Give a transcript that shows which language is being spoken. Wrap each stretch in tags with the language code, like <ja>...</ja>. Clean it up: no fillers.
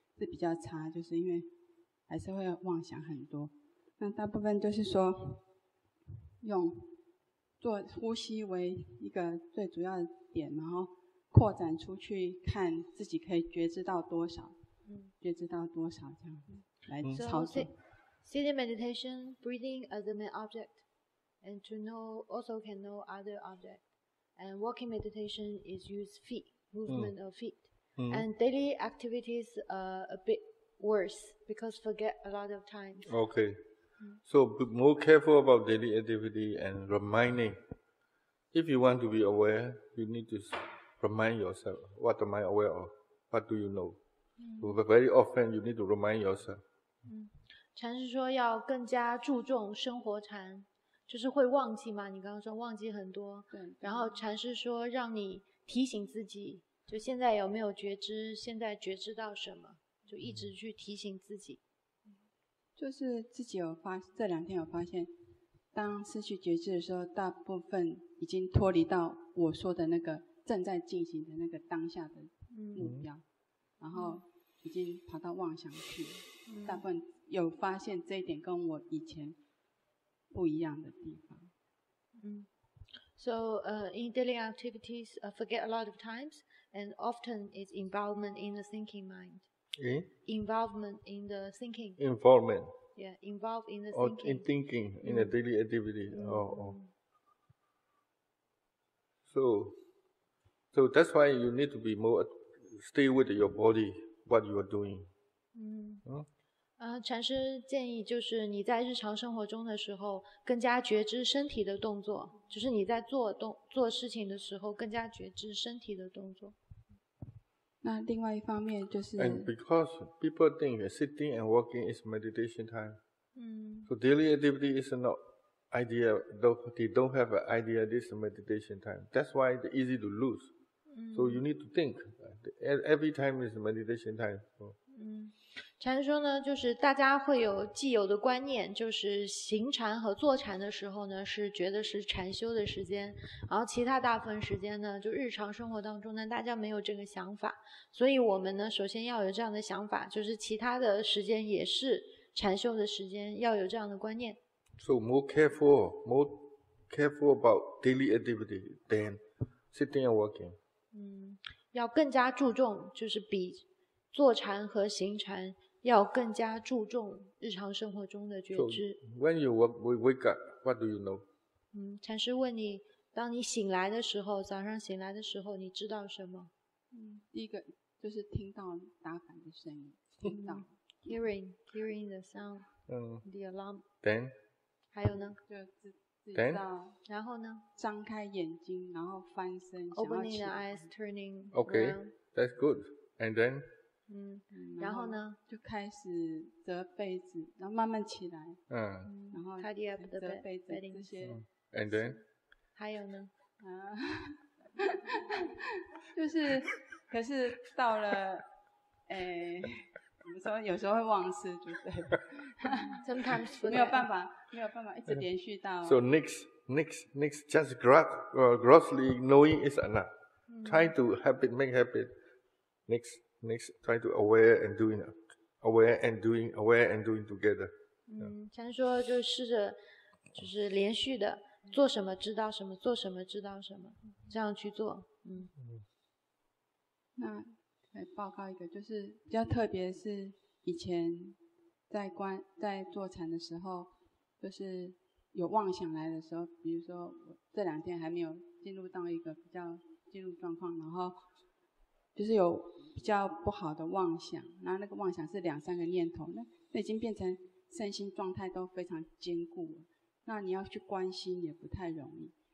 <zh>是比较差，就是因为还是会妄想很多。那大部分就是说，用做呼吸为一个最主要的点，然后扩展出去，看自己可以觉知到多少，嗯、觉知到多少这样来操作。</zh> <en>Sitting meditation, breathing as the main object, and to know also can know other object. And walking meditation is use feet, movement of feet. Mm-hmm. And daily activities are a bit worse because forget a lot of times. Okay. So be more careful about daily activity and reminding. If you want to be aware, you need to remind yourself. What am I aware of? What do you know? Mm-hmm. But very often, you need to remind yourself.</en> <zh>禅师说要更加注重生活禅，就是会忘记嘛？你刚刚说忘记很多。对。然后禅师说让你提醒自己。就现在有没有觉知？现在觉知到什么？就一直去提醒自己。就是自己有发，这两天有发现，当失去觉知的时候，大部分已经脱离到我说的那个正在进行的那个当下的目标，嗯、然后已经跑到妄想去了、嗯。大部分有发现这一点跟我以前不一样的地方。嗯。</zh> <en>So, in daily activities, forget a lot of times, and often it's involvement in the thinking mind. In? Involvement in the thinking. Involvement. Yeah, involved in the thinking. In thinking, in a daily activity. Mm-hmm. Oh, oh. So that's why you need to be more, stay with your body, what you are doing. Mm-hmm. Huh?</en> <zh>禅师建议就是你在日常生活中的时候更加觉知身体的动作，就是你在做事情的时候更加觉知身体的动作。那另外一方面就是</zh> <en>And because people think that sitting and walking is meditation time、嗯、 So daily activity is not idea, they don't have an idea this meditation time. That's why it's easy to lose、嗯、 So you need to think every time is meditation time、so.</en> <zh>嗯禅师说呢，就是大家会有既有的观念，就是行禅和坐禅的时候呢，是觉得是禅修的时间，然后其他大部分时间呢，就日常生活当中呢，大家没有这个想法。所以我们呢，首先要有这样的想法，就是其他的时间也是禅修的时间，要有这样的观念。</zh> <en>So more careful about daily activity than sitting and walking.</en> <zh>嗯，要更加注重，就是比坐禅和行禅要更加注重日常生活中的觉知。</zh> <en>So, when you wake up, what do you know?</en> <zh>嗯，禅师问你，当你醒来的时候，早上醒来的时候，你知道什么？嗯，第一个就是听到打板的声音，听到、</zh> <en>hearing the sound, the alarm. Then,</en> <zh>还有呢？就自己知道。</zh> <en>Then,</en> <zh>然后呢？张开眼睛，然后翻身。</zh> <en>Opening the eyes, turning. Okay, that's good. And then.</en> <zh>嗯，然后呢？就开始折被子，然后慢慢起来。嗯，然后折被子这些。</zh> <en>And then，</en> <zh>还有呢？啊，就是，可是到了，哎，怎么说？有时候会忘事，就对。</zh> <en>Sometimes</en> <zh>没有办法，一直连续到。</zh> <en>So next, just grossly knowing is enough.、嗯、 try to habit make habit. Next. Next, try to aware and doing together.、Yeah.</en> <zh>嗯，禅师说就试着，就是连续的，做什么知道什么，做什么知道什么，这样去做。嗯。那来报告一个，就是比较特别是以前在坐禅的时候，就是有妄想来的时候，比如说我这两天还没有进入到一个比较进入状况，然后就是有比较不好的妄想，然后那个妄想是两三个念头，那已经变成身心状态都非常坚固了，那你要去关心也不太容易。</zh>